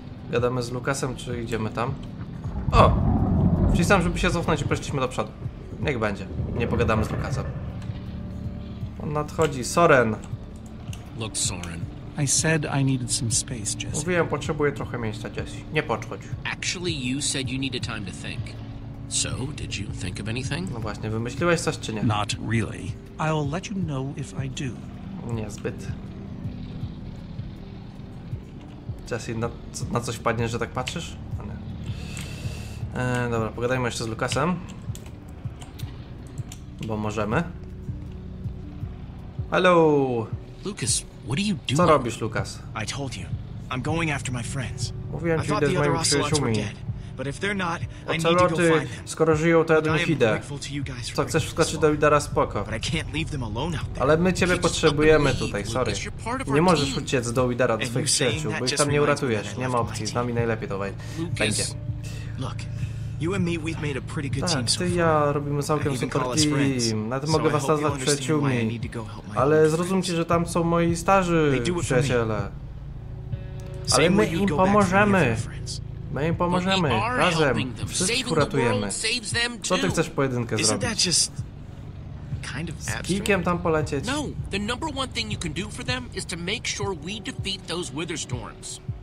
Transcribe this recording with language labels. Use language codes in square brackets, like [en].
[pl] Gadamy z Lukasem, czy idziemy tam? O! Wcisnąłem, żeby się cofnąć i poszliśmy do przodu. Niech będzie. Nie pogadamy z Lukasem. On nadchodzi. Soren. [en] Look, Soren. I said I needed some space, Jesse. [pl] Mówiłem, potrzebuję trochę miejsca, Jesse. Nie podchodź. [en] Actually, you said you needed time to think. So, did you think of anything? [pl] No właśnie, wymyśliłeś coś czy nie? [en] Not really. I'll let you know if I do. [pl] Niezbyt. Jesse, na coś wpadniesz, że tak patrzysz? Ale... dobra, pogadajmy jeszcze z Lukasem. Bo możemy. [en] Hello. Lucas, what are you doing? [pl] Co robisz, Lucas? [en] I told you. I'm going after my friends. [pl] Mówiłem, że idę z moimi przyjaciółmi. [en] But if they're not, I need to go find them. [pl] Skoro żyją, to ja do nich idę. Co chcesz wskoczyć do Widera, spoko. Ale my ciebie potrzebujemy tutaj, sorry. Nie możesz uciec do Widera, do swoich przyjaciół, bo ich tam nie uratujesz. Nie ma opcji, z nami najlepiej to będzie. [en] Look. You and me, we've made a pretty good team. [pl] Ty i ja robimy całkiem super team. Nawet mogę was nazwać przyjaciółmi. Ale zrozumcie, że tam są moi starzy przyjaciele. Ale my im pomożemy. My im pomożemy. Razem. Wszystkich uratujemy. Co ty chcesz pojedynkę zrobić? Z kikiem tam polecieć? [en] No, the number one thing you can do for them is to make sure we defeat those wither storms.